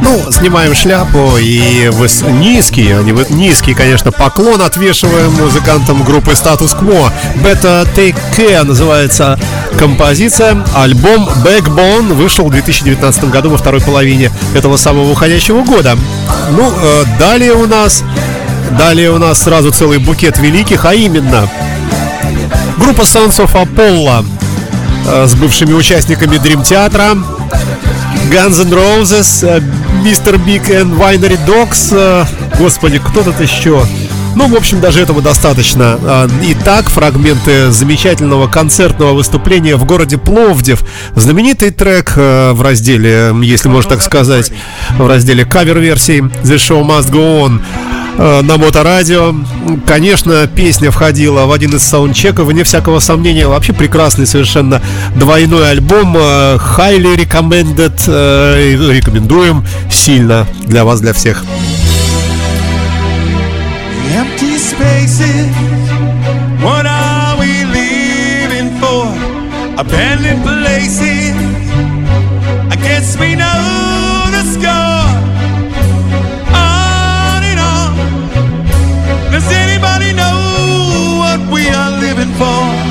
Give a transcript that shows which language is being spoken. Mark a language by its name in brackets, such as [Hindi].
[Russian] Снимаем шляпу и низкий, конечно, поклон отвешиваем музыкантам группы Status Quo. Better Take Care называется композиция. Альбом Backbone вышел в 2019 году во второй половине этого самого уходящего года. Ну, далее у нас сразу целый букет великих, а именно группа Sons of Apollo с бывшими участниками Dream Theater, Guns N' Roses, Мистер Биг and Winery Dogs, господи, кто тут еще? Ну, в общем, даже этого достаточно. Итак, фрагменты замечательного концертного выступления в городе Пловдив. Знаменитый трек в разделе, если можно так сказать, в разделе кавер-версий The Show Must Go On на Моторадио. Конечно, песня входила в один из саундчеков, вне всякого сомнения. Вообще прекрасный совершенно двойной альбом. [English] Highly recommended. [Russian] Рекомендуем сильно для вас, для всех. [English] Empty spaces, what are we living for? Abandoned places, I guess we know the score. On and on, does anybody know what we are living for?